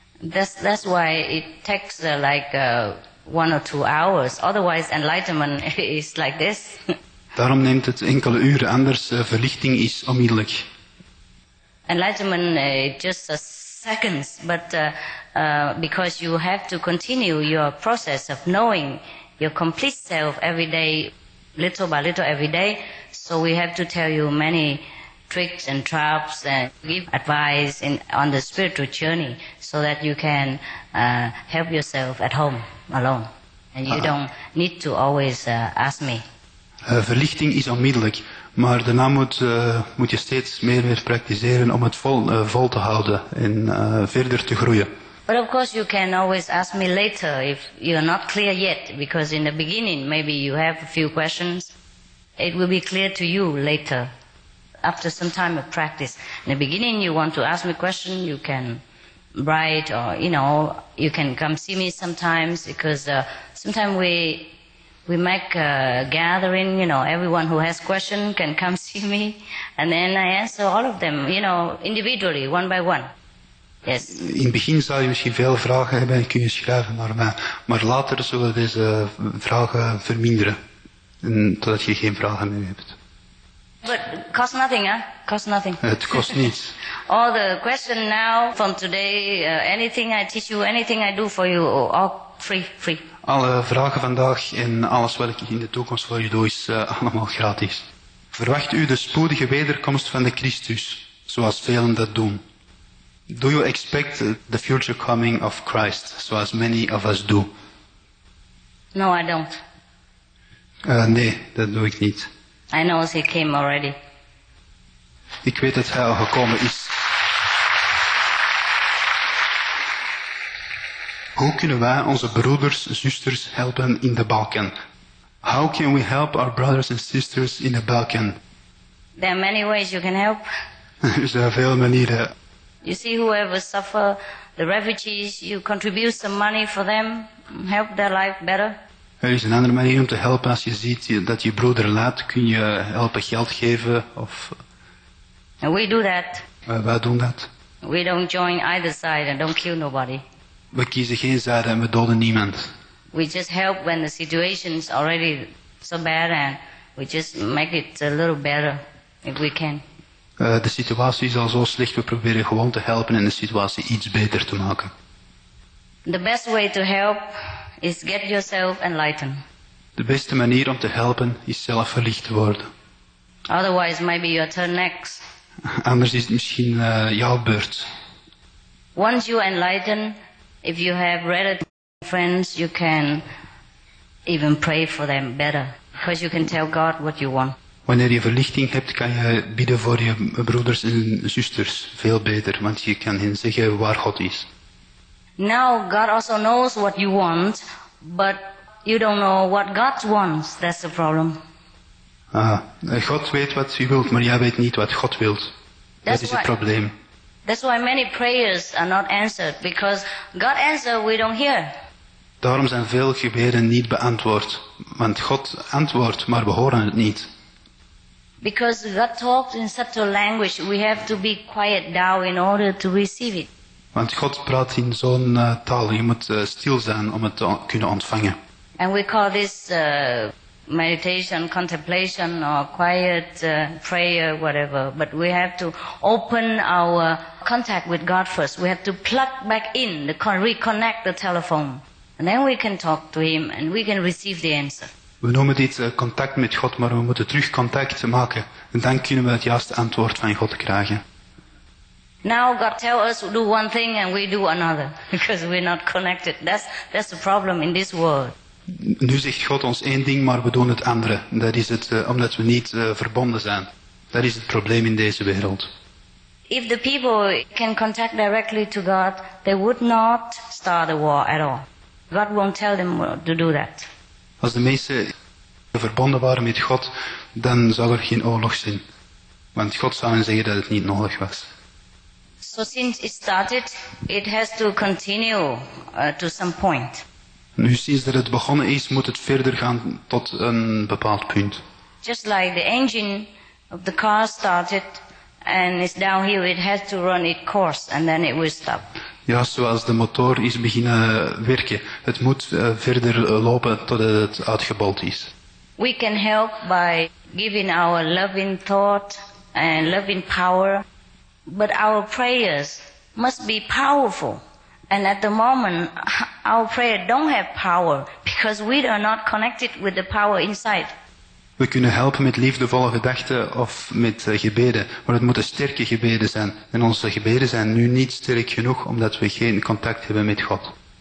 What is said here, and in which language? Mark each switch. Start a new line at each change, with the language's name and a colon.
English: That's why it takes one or two hours. Otherwise enlightenment is like this.
Dutch: Daarom neemt het enkele uren, anders verlichting is onmiddellijk.
English: Enlightenment just a seconds, but because you have to continue your process of knowing your complete self every day, little by little every day, so we have to tell you many tricks and traps and give advice on the spiritual journey so that you can help yourself at home alone. And you don't need to always ask me.
Dutch: Verlichting is onmiddellijk. Maar daarna moet je steeds meer en meer praktiseren om het vol te houden en verder te groeien.
English: But of course you can always ask me later if you're not clear yet, because in the beginning maybe you have a few questions. It will be clear to you later, after some time of practice. In the beginning you want to ask me a question, you can write or, you know, you can come see me sometimes, because sometimes we make a gathering, you know, everyone who has questions can come see me. And then I answer all of them, you know, individually, one by one. Yes.
Dutch: In het begin zou je misschien veel vragen hebben en kun je schrijven naar mij. Maar later zullen we deze vragen verminderen. En totdat je geen vragen meer hebt.
English: But cost nothing, huh? Cost nothing.
Dutch: Het kost niets.
English: All the questions now, from today, anything I teach you, anything I do for you, all free.
Dutch: Alle vragen vandaag en alles wat ik in de toekomst voor je doe is allemaal gratis. Verwacht u de spoedige wederkomst van de Christus, zoals velen dat doen?
English: Do you expect the future coming of Christ,
Dutch: zoals
English: many of us do? No, I don't.
Dutch: Nee, dat doe ik niet.
English: I know he came already.
Dutch: Ik weet dat hij al gekomen is. Hoe kunnen wij onze broeders en zusters helpen in de Balkan?
English: How can we help our brothers and sisters in the Balkan? There are many ways you can help.
Dutch: Er zijn veel manieren.
English: You see whoever suffer, the refugees, you contribute some money for them, help their life better.
Dutch: Er is een andere manier om te helpen. Als je ziet dat je broeder laat, kun je helpen geld geven of.
English: And we do that.
Dutch: Wij doen dat.
English: We don't join either side and don't kill nobody.
Dutch: We kiezen geen zijde en we doden niemand.
English: We just help when the situation is already so bad and we just make it a little better if we can.
Dutch: De situatie is al zo slecht, we proberen gewoon te helpen en de situatie iets beter te maken.
English: The best way to help is get yourself enlightened.
Dutch: De beste manier om te helpen is zelf verlicht te worden.
English: Otherwise maybe your turn next.
Dutch: Anders is het misschien jouw beurt.
English: Once you enlighten, if you have relatives, friends, you can even pray for them better, because you can tell God what you want.
Dutch: Wanneer je verlichting hebt, kan je bidden voor je broeders en zusters veel beter, want je kan hen zeggen waar God is.
English: Now God also knows what you want, but you don't know what God wants. That's the problem.
Dutch: God weet wat je wilt, maar jij weet niet wat God wilt. Dat is het probleem.
English: That's why many prayers are not answered, because God answers we don't hear.
Dutch: Daarom zijn veel gebeden niet beantwoord, want God antwoordt, maar we horen het niet.
English: Because God talks in such a language, we have to be quiet now in order to receive it.
Dutch: Want God praat in zo'n taal, je moet stil zijn om het te kunnen ontvangen.
English: And we call this meditation, contemplation or quiet prayer, whatever. But we have to open our contact with God first. We have to plug back in, reconnect the telephone. And then we can talk to him and we can receive the answer.
Dutch: We noemen dit contact met God, maar we moeten terug contact maken. En dan kunnen we het juiste antwoord van God krijgen.
English: Now God tells us to do one thing and we do another. Because we're not connected. That's the problem in this world.
Dutch: Nu zegt God ons één ding, maar we doen het andere. Dat is het, omdat we niet verbonden zijn. Dat is het probleem in deze wereld.
English: If the people can contact directly to God, they would not start a war at all. God won't tell them to do that.
Dutch: Als de mensen verbonden waren met God, dan zou er geen oorlog zijn. Want God zou hen zeggen dat het niet nodig was.
English: So since it started, it has to continue to some point.
Dutch: Nu sinds dat het begonnen is, moet het verder gaan tot een bepaald punt.
English: Just like the engine of the car started and it's downhill, it has to run its course and then it will stop.
Dutch: Ja, zoals de motor is beginnen werken. Het moet verder lopen totdat het uitgebold is.
English: We can help by giving our loving thought and loving power, but our prayers must be powerful. And at the moment, our prayer don't have power because we are not connected with the power inside.
Dutch: We kunnen helpen met liefdevolle gedachten of met gebeden, maar het moeten sterke gebeden zijn. En onze gebeden zijn nu niet sterk genoeg omdat we geen contact hebben met God.